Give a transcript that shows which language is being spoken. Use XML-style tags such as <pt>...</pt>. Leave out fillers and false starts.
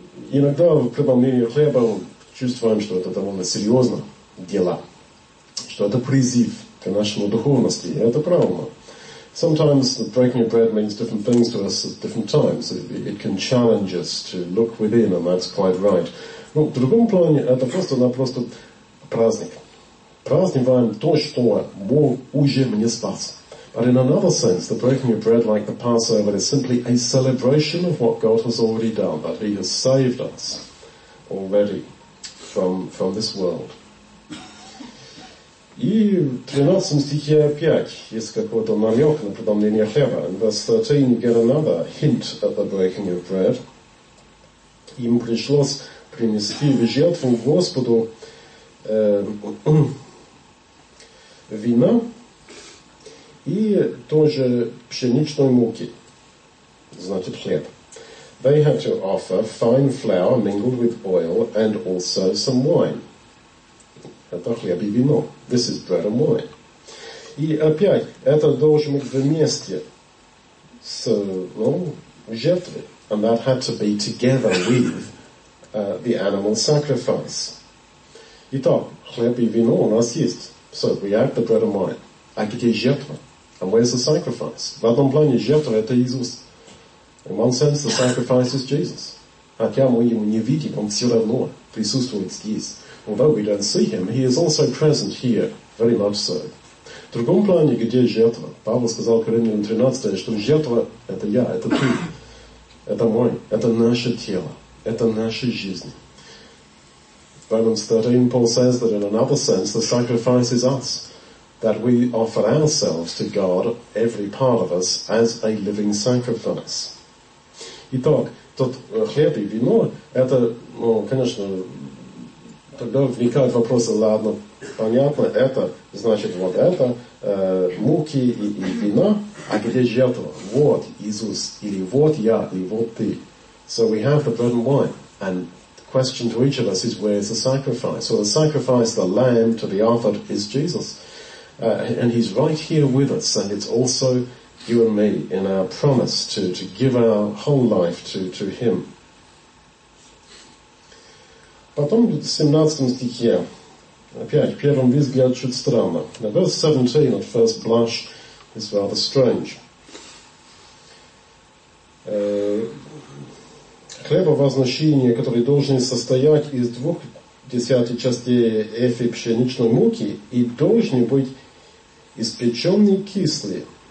<ru>Иногда в преломлении хлеба чувствуем, что это довольно серьезно дело, что это призыв к нашему духовности, и это правильно.</ru> <en>Sometimes the breaking of bread means different things to us at different times. It can challenge us to look within, and that's quite right.</en> <ru>Ну, в другом плане, это просто-напросто праздник. Праздниваем то, что Бог уже мне спас.</ru> <en>But in another sense, the breaking of bread, like the Passover, is simply a celebration of what God has already done, that He has saved us already from this world.</en> <ru>И в 13 стихе 5 есть какой-то намек на преломление хлеба.</ru> <en>In verse 13, you get another hint at the breaking of bread.</en> <ru>Им пришлось принести в жертву Господу вина и тоже пшеничной муки, значит хлеб.</ru> <en>They had to offer fine flour mingled with oil and also some wine.</en> <ru>Это хлеб и вино.</ru> <en>This is bread and wine.</en> <ru>И опять, это должно быть вместе с жертвой.</ru> <en>And that had to be together with the animal sacrifice.</en> <ru>Итак, хлеб и вино у нас есть.</ru> <en>So we add the bread and wine.</en> <ru>А где жертва?</ru> <en>And where's the sacrifice?</en> <ru>В одном плане, жертва – это Иисус.</ru> <en>In one sense, the sacrifice is Jesus.</en> <ru>Хотя мы его не видим, он все равно присутствует здесь.</ru> <en>Although we don't see him, he is also present here, very much so.</en> <ru>В другом плане, где жертва? Павел сказал Коринфянам 13, что жертва – это я, это ты, это мой, это наше тело, это наша жизнь.</ru> <en>Romans 13, Paul says that in another sense, the sacrifice is us, that we offer ourselves to God, every part of us, as a living sacrifice.</en> <ru>Итак, тот хлеб и вино – это, конечно, тогда вникают вопросы, ладно, понятно, это значит вот это, муки и вина, а где жертва? Вот Иисус, или вот я, или вот ты.</ru> <en>So we have the bread and wine, and the question to each of us is where is the sacrifice? So the sacrifice, the lamb to be offered, is Jesus. And he's right here with us, and it's also you and me in our promise to give our whole life to him.</en> <ru>Потом в 17 стихе, опять, в первом взгляде чуть странно.</ru> <en>Now verse 17, at first blush, is rather strange.</en> <ru>Хлебовозношение, которое должно состоять из 2/10 частей эфи пшеничной муки, и должно быть испеченный кислый.</ru>